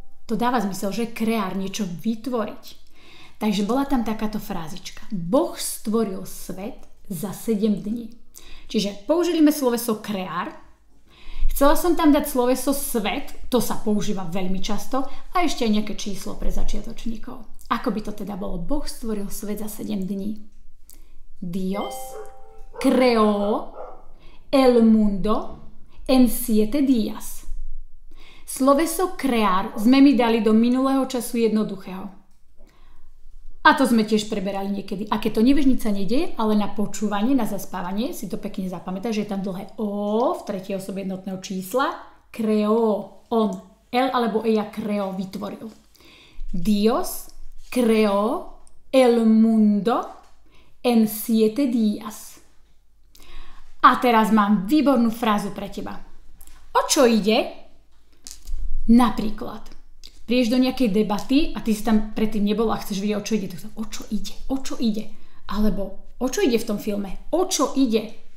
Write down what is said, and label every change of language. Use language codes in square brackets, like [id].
[sk] To dáva zmysel, že crear, niečo vytvoriť. Takže bola tam takáto frázička. Boh stvoril svet za 7 dní. Čiže použili sme sloveso crear. Chcela som tam dať sloveso svet, to sa používa veľmi často, a ešte aj nejaké číslo pre začiatočníkov. Ako by to teda bolo? Boh stvoril svet za 7 dní. [es] Dios creó el mundo en 7 días. [sk] Sloveso crear sme mi dali do minulého času jednoduchého. A to sme tiež preberali niekedy. A keď to nevieš, nič sa nedeje, ale na počúvanie, na zaspávanie si to pekne zapamätaj, že je tam dlhé O v tretej osobe jednotného čísla. [es] Creó, on, él alebo ella creó, vytvoril. Dios creó el mundo en siete días. [sk] A teraz mám výbornú frázu pre teba. O čo ide? Napríklad, prídeš do nejakej debaty a ty si tam predtým nebol a chceš vidieť, o čo ide. Tak o čo ide? O čo ide? Alebo o čo ide v tom filme? O čo ide?